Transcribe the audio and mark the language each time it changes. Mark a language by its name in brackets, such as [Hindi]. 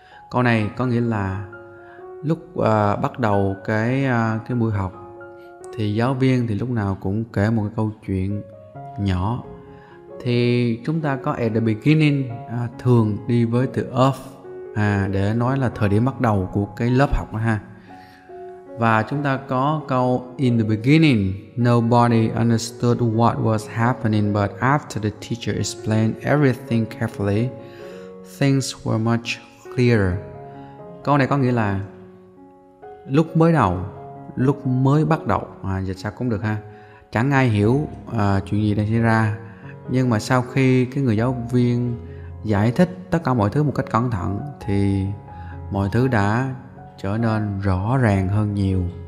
[Vietnamese] Câu này có nghĩa là lúc bắt đầu cái buổi học thì giáo viên thì lúc nào cũng kể một cái câu chuyện nhỏ. Thì chúng ta có at the beginning thường đi với từ of để nói là thời điểm bắt đầu của cái lớp học đó ha. Và chúng ta có câu [English] in the beginning, nobody understood what was happening, but after the teacher explained everything carefully, things were much clearer. [Vietnamese] Câu này có nghĩa là lúc mới bắt đầu, dịch sao cũng được ha, chẳng ai hiểu chuyện gì đang xảy ra, nhưng mà sau khi cái người giáo viên giải thích tất cả mọi thứ một cách cẩn thận thì mọi thứ đã trở nên rõ ràng hơn nhiều.